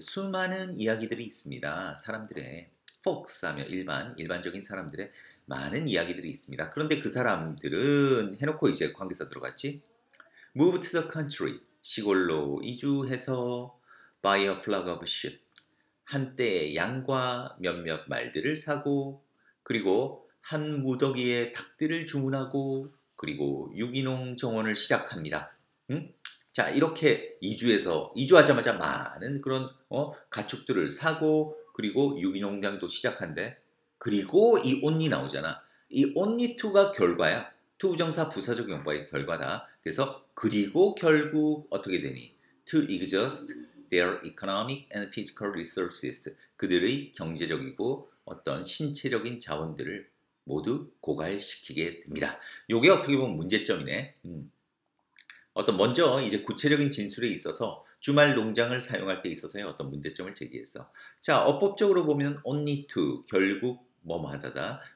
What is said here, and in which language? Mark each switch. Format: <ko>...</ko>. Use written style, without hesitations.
<ko>수많은 이야기들이 있습니다. 사람들의 folks 하면 일반적인 사람들의 많은 이야기들이 있습니다. 그런데 그 사람들은 해놓고 이제 관계사 들어갔지?</ko> <en>Move to the country.</en> <ko>시골로 이주해서</ko> <en>buy a flock of sheep.</en> <ko>한때 양과 몇몇 말들을 사고 그리고 한 무더기에 닭들을 주문하고 그리고 유기농 정원을 시작합니다. 응? 자, 이렇게 이주하자마자 많은 그런 가축들을 사고 그리고 유기농장도 시작한대. 그리고 이 only 나오잖아. 이 only to가 결과야. 투부정사 부사적 용법의 결과다. 그래서 그리고 결국 어떻게 되니?</ko> <en>To exhaust their economic and physical resources.</en> <ko>그들의 경제적이고 어떤 신체적인 자원들을 모두 고갈시키게 됩니다. 이게 어떻게 보면 문제점이네. 어떤 먼저 이제 구체적인 진술에 있어서 주말 농장을 사용할 때 있어서의 어떤 문제점을 제기했어. 자, 어법적으로 보면 only to, 결국 뭐뭐하다다.</ko>